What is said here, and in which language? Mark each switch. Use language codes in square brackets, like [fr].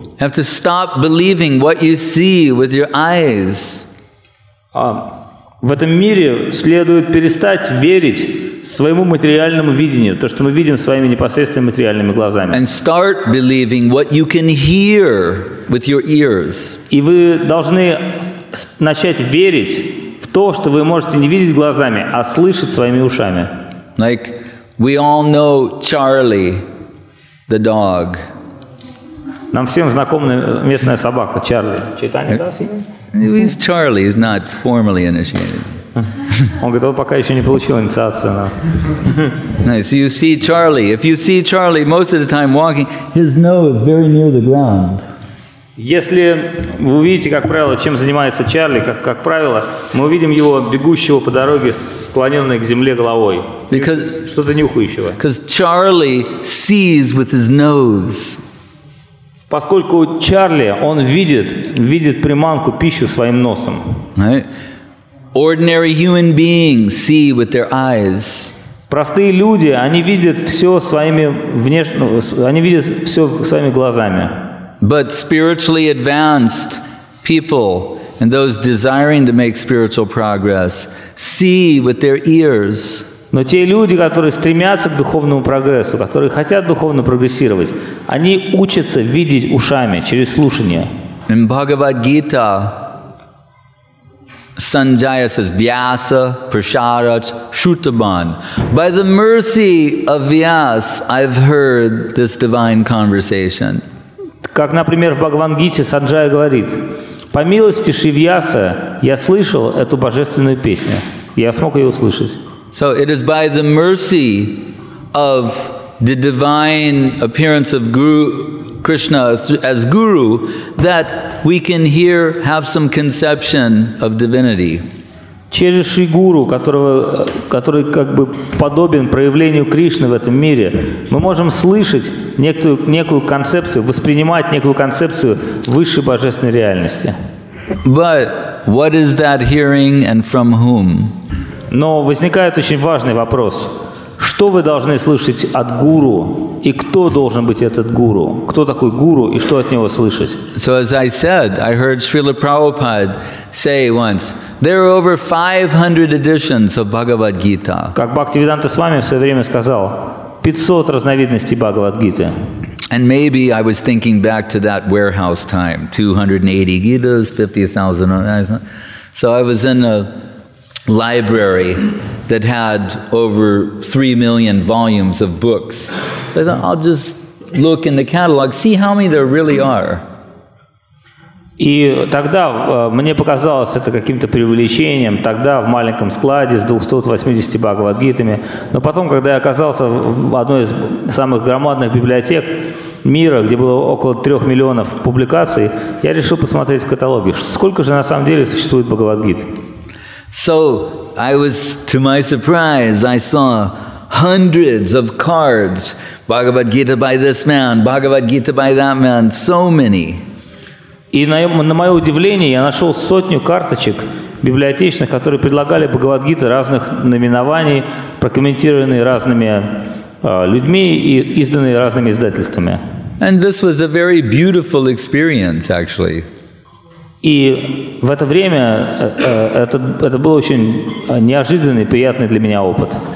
[en] You have to stop believing what you see with your eyes. [ru] В этом мире следует перестать верить своему материальному видению, то, что мы видим своими непосредственными материальными глазами. [en] And start believing what you can hear with your ears. [ru] И вы должны начать верить в то, что вы можете не видеть глазами, а слышать своими ушами. [en] Like we all know Charlie, the dog. [ru] Нам всем знакома местная собака Чарли. Читание, да? [en] He's Charlie. He's not formally initiated. [ru] Он говорит, он пока еще не получил инициацию. Но... [en] Nice. You see Charlie. If you see Charlie, most of the time walking, his nose is very near the ground. [ru] Если вы увидите, как правило, чем занимается Чарли, как правило, мы увидим его бегущего по дороге, склоненной к земле головой, [en] because, [ru] что-то нюхающего. [en] Because Charlie sees with his nose. [ru] Поскольку Чарли, он видит приманку, пищу своим носом. [en] Ordinary human beings see with their eyes. [ru] Простые люди, они видят все своими они видят все своими глазами. [en] But spiritually advanced people and those desiring to make spiritual progress see with their ears. [ru] Но те люди, которые стремятся к духовному прогрессу, которые хотят духовно прогрессировать, они учатся видеть ушами через слушание. [en] In Bhagavad Gita, Sanjaya says, Vyasa, Prasharat, Shrutaban. By the mercy of Vyas, I've heard this divine conversation. [ru] Как, например, в Бхагавад-гите Санджая говорит, «По милости Шивьяса я слышал эту божественную песню, я смог ее услышать». [en] So it is by the mercy of the divine appearance of Guru Krishna as Guru that we can hear, have some conception of divinity. [ru] Через Шри-гуру, который как бы подобен проявлению Кришны в этом мире, мы можем слышать некую концепцию, воспринимать некую концепцию высшей божественной реальности. [en] But what is that hearing and from whom? [ru] Но возникает очень важный вопрос. Что вы должны слышать от гуру, и кто должен быть этот гуру? Кто такой гуру, и что от него слышать? [en] So as I said, I heard Srila Prabhupada say once, there are over 500 editions of Bhagavad Gita. [ru] Как Бхактивиданта Свами в свое время сказал, 500 разновидностей Бхагавад Гиты. [en] And maybe I was thinking back to that warehouse time, 280 Gitas, 50,000. So I was in a library that had over 3 million volumes of books. So I thought, I'll just look in the catalog, see how many there really are. [ru] И тогда мне показалось это каким-то преувеличением, тогда в маленьком складе с 280 Бхагавадгитами. Но потом, когда я оказался в одной из самых громадных библиотек мира, где было около 3 миллионов публикаций, я решил посмотреть в каталоге, сколько же на самом деле существует Бхагавадгит. [en] So, I was, to my surprise, I saw hundreds of cards. Bhagavad Gita by this man, Bhagavad Gita by that man, so many. [ru] И на мое удивление, я нашел сотню карточек библиотечных, которые предлагали Бхагавадгиты разных номинований, прокомментированные разными людьми и изданные разными издательствами. [en] And this was a very beautiful experience, actually. [ru] И в это время это был очень неожиданный, приятный для меня опыт.